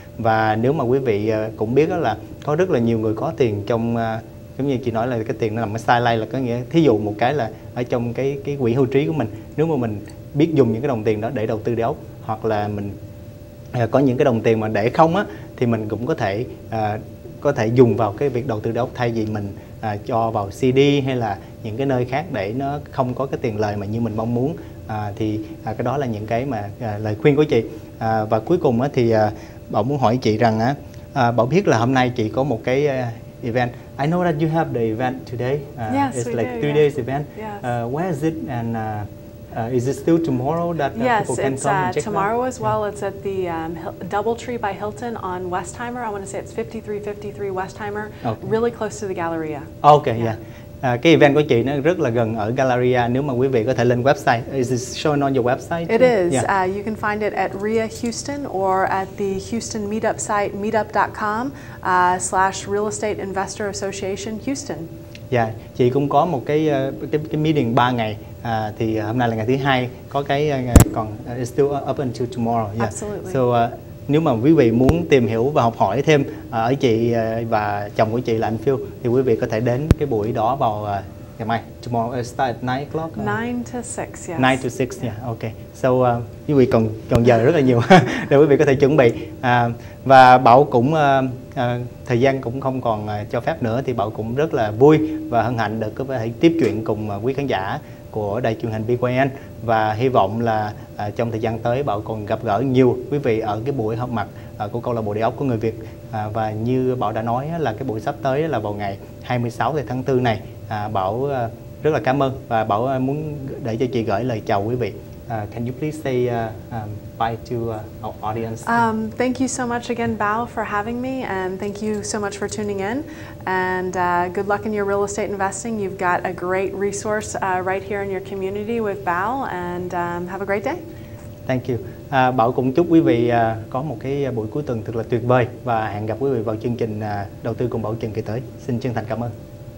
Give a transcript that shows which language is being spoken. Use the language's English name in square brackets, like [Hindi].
[Vietnamese] Và nếu mà quý vị cũng biết đó là có rất là nhiều người có tiền trong giống như chị nói là cái tiền nó nằm ở sideline, là có nghĩa thí dụ một cái là ở trong cái quỹ hưu trí của mình, nếu mà mình biết dùng những cái đồng tiền đó để đầu tư Đề-Ốc, hoặc là mình có những cái đồng tiền mà để không á, thì mình cũng có thể dùng vào cái việc đầu tư Đề-Ốc thay vì mình cho vào CD hay là những cái nơi khác để nó không có cái tiền lời mà như mình mong muốn. Thì cái đó là những cái mà lời khuyên của chị. Và cuối cùng á, thì Bảo muốn hỏi chị rằng á, Bảo biết là hôm nay chị có một cái event. [English] I know that you have the event today. Yes, it's like do, three yeah. days event. Yes. Where is it, and is it still tomorrow that yes, people can come and check it's tomorrow out? As well. Yeah. It's at the DoubleTree by Hilton on Westheimer. I want to say it's 5353 Westheimer, okay. Really close to the Galleria. Okay, yeah. [Vietnamese] Cái event của chị nó rất là gần ở Galleria. Nếu mà quý vị có thể lên website. [English] Is it shown on your website? It is. Yeah. You can find it at Rhea Houston or at the Houston meetup site, meetup.com/Real Estate Investor Association Houston. Yeah. [Vietnamese] Chị cũng có một cái meeting 3 ngày. Thì hôm nay là ngày thứ 2. Có cái còn [English] it's still up until tomorrow. Yeah. Absolutely. [Vietnamese] So nếu mà quý vị muốn tìm hiểu và học hỏi thêm ở chị và chồng của chị là anh Phil, thì quý vị có thể đến cái buổi đó vào ngày mai. [English] Tomorrow it starts at 9 o'clock? 9 to 6, yes. 9 to 6, yeah, okay. [Vietnamese] So quý vị còn giờ rất là nhiều để quý vị có thể chuẩn bị. Và Bảo cũng, thời gian cũng không còn cho phép nữa, thì Bảo cũng rất là vui và hân hạnh được có thể tiếp chuyện cùng quý khán giả của đài truyền hình BQN. Và hy vọng là trong thời gian tới Bảo còn gặp gỡ nhiều quý vị ở cái buổi họp mặt của câu lạc bộ Đề-Ốc của người Việt. Và như Bảo đã nói là cái buổi sắp tới là vào ngày 26 tháng 4 này. Bảo rất là cảm ơn, và Bảo muốn để cho chị gửi lời chào quý vị. [English] Can you please say bye to our audience? Thank you so much again, Bao, for having me, and thank you so much for tuning in. And good luck in your real estate investing. You've got a great resource right here in your community with Bao, and have a great day. Thank you. [Vietnamese] Bảo cũng chúc quý vị có một cái buổi cuối tuần thật là tuyệt vời, và hẹn gặp quý vị vào chương trình Đầu tư cùng Bảo Trần kỳ tới. Xin chân thành cảm ơn.